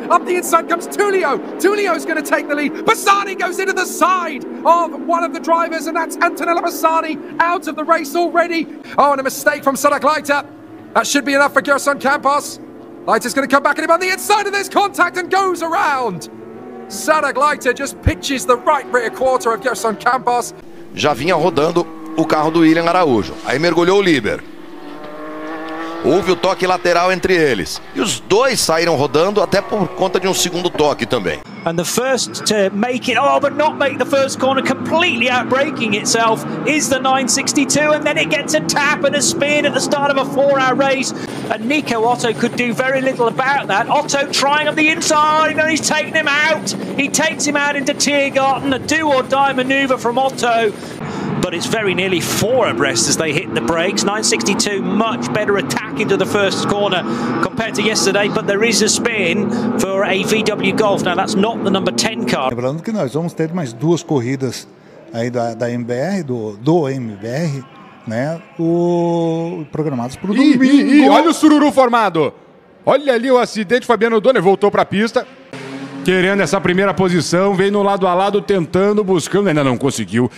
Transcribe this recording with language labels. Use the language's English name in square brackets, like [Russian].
[English] Up the inside comes Tulio. Tulio's going to take the lead. Bassani goes into the side of one of the drivers, and that's Antonella Bassani out of the race already. Oh, and a mistake from Sonak Leiter. That should be enough for Gerson Campos. Leiter's going to come back at him on the inside, and there's contact and goes around. Sonak Leiter just pitches the right rear quarter of Gerson Campos. [Portuguese] Já vinha rodando o carro do William Araújo. Aí mergulhou o Liber. Houve o toque lateral entre eles. E os dois saíram rodando até por conta de segundo toque também. [English] And the first to make it, oh, but not make the first corner, completely outbreaking itself, is the 962. And then it gets a tap and a spin at the start of a four-hour race. And Nico Otto could do very little about that. Otto trying on the inside, and he's taking him out. He takes him out into Tiergarten, a do-or-die maneuver from Otto. But it's very nearly four abreast as they hit the brakes. 962, much better attack into the first corner compared to yesterday, but there is a spin for a VW Golf. Now, that's not the number 10 car. [Portuguese] Lembrando que nós vamos ter mais duas corridas aí da MBR, do MBR, né, programadas para o domingo. E olha o sururu formado. Olha ali o acidente, Fabiano Doni voltou para a pista. Querendo essa primeira posição, vem no lado a lado, tentando, buscando, ainda não conseguiu.